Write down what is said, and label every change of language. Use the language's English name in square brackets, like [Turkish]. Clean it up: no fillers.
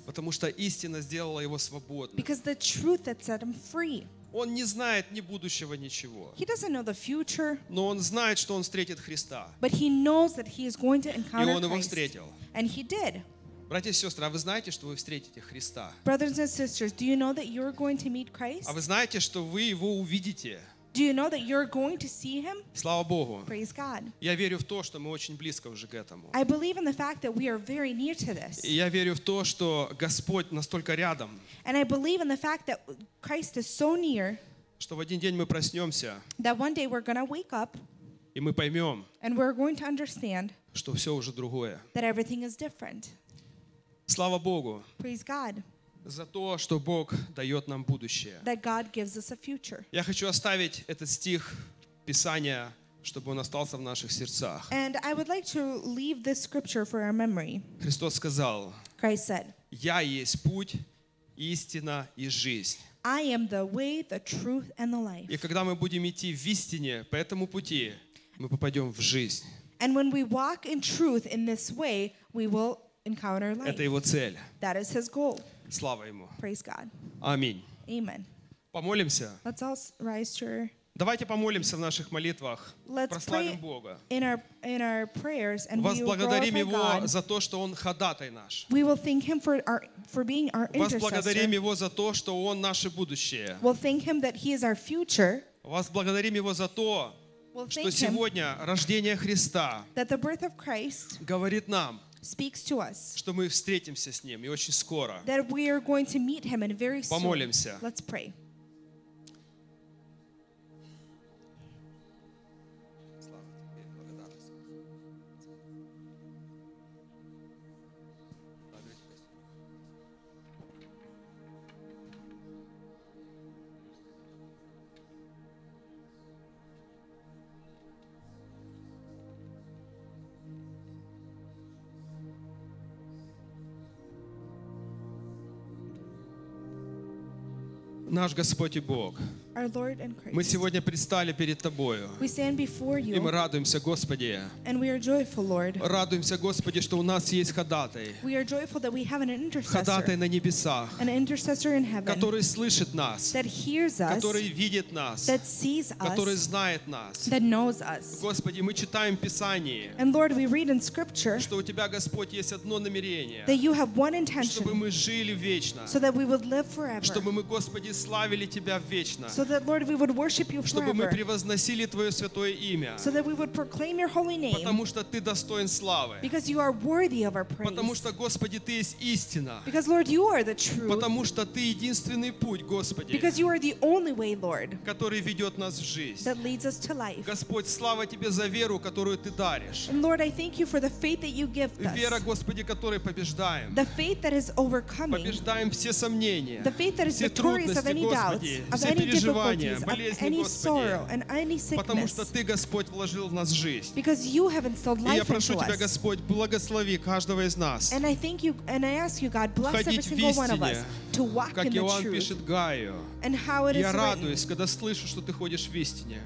[Russian] Потому что истина сделала его свободным. [English] Because the truth that set him free. [Russian] Он не знает ни будущего, ничего. [English] He doesn't know the future. [Russian] Но он знает, что он встретит Христа. [English] But he knows that he is going to encounter Christ. [Russian] И он его встретил. [English] And he did. [Russian] Братья и сестры, а вы знаете, что вы встретите Христа? [English] Brothers and sisters, do you know that you're going to meet Christ? [Russian] А вы знаете, что вы его увидите? [English] Do you know that you're going to see him? [Russian] Слава Богу. [English] Praise God. [Russian] Я верю в то, что мы очень близко уже к этому. [English] I believe in the fact that we are very near to this. [Russian] И я верю в то, что Господь настолько рядом. [English] And I believe in the fact that Christ is so near. [Russian] Что в один день мы проснемся. [English] That one day we're going to wake up. [Russian] И мы поймем. [English] And we're going to understand. [Russian] Что все уже другое. [English] That everything is different. [Russian] Слава Богу. [English] Praise God. [Russian] За то, что Бог дает нам будущее. [English] That God gives us a future. [Russian] Я хочу оставить этот стих Писания, чтобы он остался в наших сердцах. [English] And I would like to leave this scripture for our memory. [Russian] Христос сказал, [English] Christ said, [Russian] «Я есть путь, истина и жизнь». [English] I am the way, the truth, and the life. [Russian] И когда мы будем идти в истине по этому пути, мы попадем в жизнь. [English] And when we walk in truth in this way, we will encounter life. [Russian] Это его цель. [English] That is his goal. [Russian] Слава Ему. [English] Praise God. [Russian] Аминь. [English] Amen. [Russian] Помолимся. [English] Let's all rise to our... [Russian] Давайте помолимся в наших молитвах. [English] Let's [Russian] прославим Бога. [English] In our prayers and [Russian] возблагодарим Его [English] God. [Russian] За то, что Он ходатай наш. [English] We will thank Him for being our intercessor. [Russian] Возблагодарим Его за то, что Он наше будущее. [English] We'll thank Him that He is our future. [Russian] Возблагодарим Его за то, [English] we'll [Russian] что сегодня рождение Христа [English] that the birth of Christ [Russian] говорит нам, [English] speaks to us. [Russian] Что мы встретимся с ним и очень скоро. [English] That we are going to meet him and very soon. [Russian] Помолимся. [English] Let's pray. [Russian] Наш Господь и Бог, [English] our Lord and Christ. [Russian] Мы сегодня предстали перед Тобою. [English] We stand before you, [Russian] и мы радуемся, Господи. [English] And we are joyful, Lord. [Russian] Радуемся, Господи, что у нас есть ходатай. [English] We are joyful that we have an intercessor, [Russian] ходатай на небесах. [English] An intercessor in heaven, [Russian] который слышит нас. [English] That hears us, [Russian] который видит нас. [English] That sees us, [Russian] который знает нас. [English] That knows us. [Russian] Господи, мы читаем Писание. [English] And Lord, we read in Scripture, [Russian] что у Тебя, Господь, есть одно намерение. [English] That you have one intention, [Russian] чтобы мы жили вечно. [English] So that we would live forever. [Russian] Чтобы мы, Господи, славили Тебя вечно. [English] So that, Lord, we would worship you forever. [Russian] Чтобы мы превозносили твое святое имя. [English] So that we would proclaim your holy name. [Russian] Потому что ты достоин славы. [English] Because you are worthy of our praise. [Russian] Потому что, Господи, ты есть истина. [English] Because, Lord, you are the truth. [Russian] Потому что ты единственный путь, Господи. [English] Because you are the only way, Lord. [Russian] Который ведет нас в жизнь. [English] That leads us to life. [Russian] Господь, слава тебе за веру, которую ты даришь. [English] And Lord, I thank you for the faith that you give us. [Russian] Вера, Господи, которой побеждаем. [English] The faith that is overcoming. [Russian] Побеждаем все сомнения. [English] The faith that is victorious of any doubts, of any difficulties, of any sorrow, and any sickness. [Russian] Потому что ты, Господь, вложил в нас жизнь. [English] Because you have installed life into us. [Russian] Я прошу тебя, Господь, благослови каждого из нас. [English] And I thank you, and I ask you, God, bless every single one of us to walk in the truth. [Russian] Как Иоанн пишет Гаю. [English] And how it is written. [Russian] Я радуюсь, когда слышу, что ты ходишь в истине.